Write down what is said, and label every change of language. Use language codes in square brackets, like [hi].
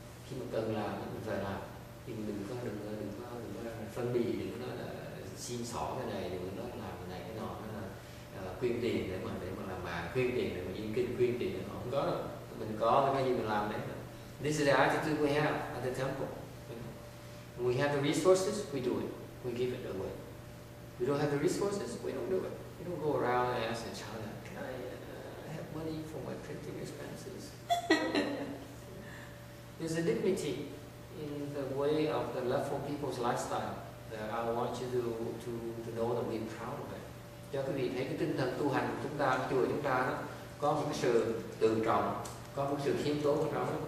[vi] Khi mà cần làm mình phải làm, thì mình đừng có phân biệt, đừng có nói là xin xỏ cái này, đừng có nói làm cái này cái nọ, quyên tiền để mà làm bà, quyên tiền để mà yên kinh, quyên tiền để không có đâu, mình có cái gì mình làm đấy. [en] This is the attitude we have at the temple. When we have the resources, we do it, we give it away. We don't have the resources, we don't do it. We don't go around and ask a child, can I have money for my printing expenses? There's a dignity in the way of the love for people's lifestyle that I want you to know that we're proud of it. [vi] Cho quý vị thấy cái tinh thần tu hành của chúng ta, của chùa chúng ta đó, có một sự tự trọng, có một sự khiêm tốn của nó.